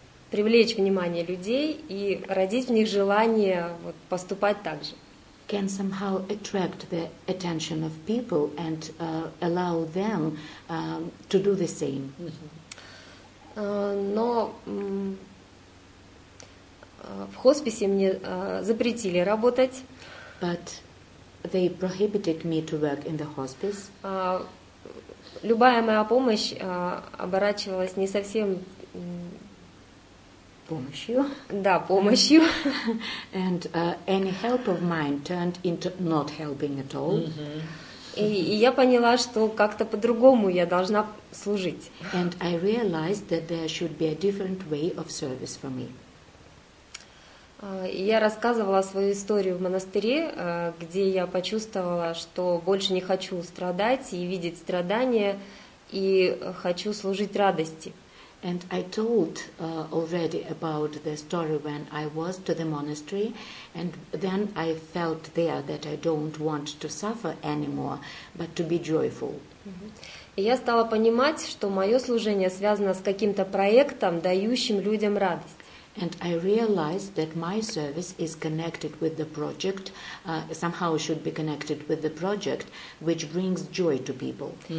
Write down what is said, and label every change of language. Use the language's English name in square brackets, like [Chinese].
[Russian] привлечь внимание людей и родить в них желание вот, поступать так же. [English] Can somehow attract the attention of people and allow them to do the same. [Russian] Но в хосписе мне запретили работать. [English] But they prohibited me to work in the hospice. [Russian] Любая моя помощь оборачивалась не совсем помощью. Да, помощью. [English] And any help of mine turned into not helping at all. [Russian] И я поняла, что как-то по-другому я должна служить. [English] And I realized that there should be a different way of service for me. [Russian] Я рассказывала свою историю в монастыре, где я почувствовала, что больше не хочу страдать и видеть страдания, и хочу служить радости. [English] And I told already about the story when I was to the monastery, and then I felt there that I don't want to suffer anymore, but to be joyful. [Russian] И я стала понимать, что мое служение связано с каким-то проектом, дающим людям радость. [English] And I realized that my service is connected with the project, somehow should be connected with the project, which brings joy to people.